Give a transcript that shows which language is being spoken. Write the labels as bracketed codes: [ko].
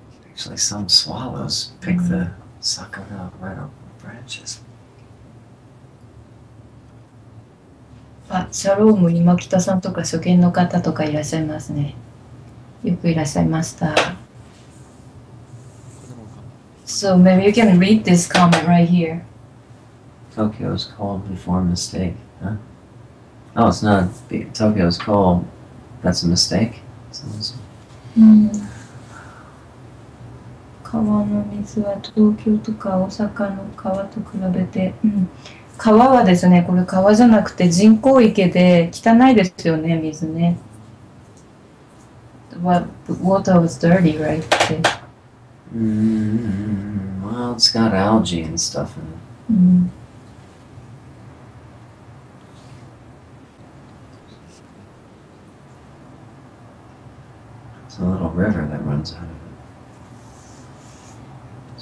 [en] Actually, some swallows pick the sakura right off the branches. [ja] あ、シャローム今北さんとか初見の方とかいらっしゃいますね。よくいらっしゃいました。 [en] So maybe you can read this comment right here. Tokyo is called before mistake, huh? Oh, it's not Tokyo's call. That's a mistake. Sounds... Mm. [ja] 川の水は東京とか大阪の川と比べて、川はですね、これ川じゃなくて人工池で汚いですよね、水ね。 [en] The water was dirty, right? Well, it's got algae and stuff in it. It's a little river that runs out of it.